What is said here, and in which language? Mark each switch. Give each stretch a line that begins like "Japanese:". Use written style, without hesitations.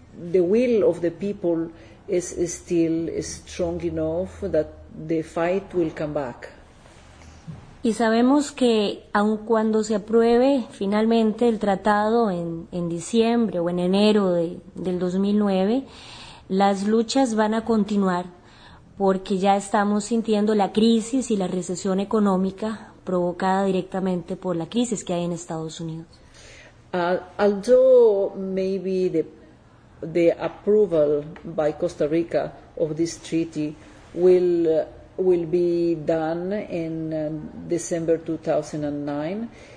English: the will of the people is still strong enough that the fight will come back.
Spanish: Y sabemos que aun cuando se apruebe finalmente el tratado en diciembre o en enero del 2009, las luchas van a continuar porque ya estamos sintiendo la crisis y la recesión económica provocada directamente por la crisis que hay en Estados Unidos.
English: Although maybe the approval by Costa Rica of this treaty will be done in December 2009,